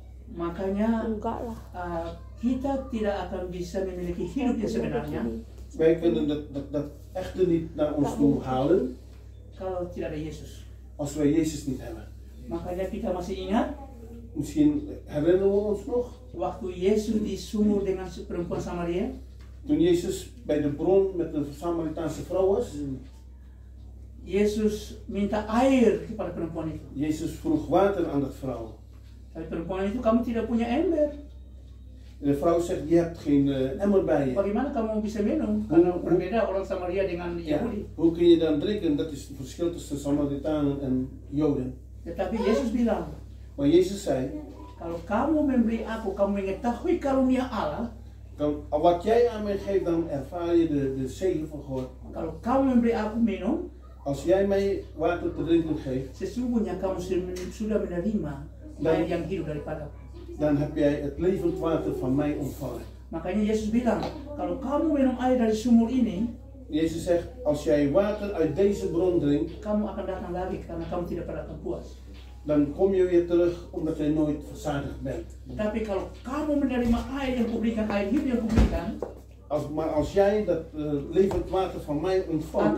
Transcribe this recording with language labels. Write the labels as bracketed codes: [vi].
[id] Makanya kita tidak akan bisa memiliki hidup yang sebenarnya. [nl] Wij kunnen dat echte niet naar ons toe halen. [id] Kalau tidak ada Yesus. [nl] Als wij Jezus niet hebben. [id] Makanya kita masih ingat. [nl] Misschien herinneren we ons nog. [id] Waktu Yesus di sumur dengan perempuan Samaria. [nl] Toen Jezus bij de bron met een Samaritaanse vrouw was. [id] Yesus minta air kepada perempuan itu. [nl] Yesus vroeg water aan dat vrouw. [id] Tapi perempuan itu, kamu tidak punya ember. [nl] De vrouw zegt, je hebt geen emmer bij je. [id] Bagaimana kamu bisa minum? Karena berbeda orang Samaria dengan Yahudi. [nl] Hoe kun je dan drinken? Dat is het verschil tussen Samaritanen en Joden. [id] Tetapi Yesus bilang. [nl] Maar Jezus zei. [id] Kalau kamu memberi aku, kamu mengetahui karunia Allah. [nl] Wat jij aan mij geeft, dan ervaar je de zegen van God. [id] Kalau kamu memberi aku minum. [nl] Als jij mij water te drinken geeft. [id] Sesungguhnya kamu sudah menerima air yang hidup daripada. [nl] Dan heb jij het levend water van mij ontvangen. [id] Makanya Yesus bilang, kalau kamu minum air dari sumur ini. [nl] Jezus zegt, als jij water uit deze bron drinkt. [id] Kamu akan datang lagi, karena kamu tidak pernah akan puas. [nl] Dan kom je weer terug, omdat jij nooit verzadigd bent. [id] Tapi kalau kamu menerima air yang kuberikan, air hidup yang kuberikan. [nl] Als jij dat levend water van mij ontvangt.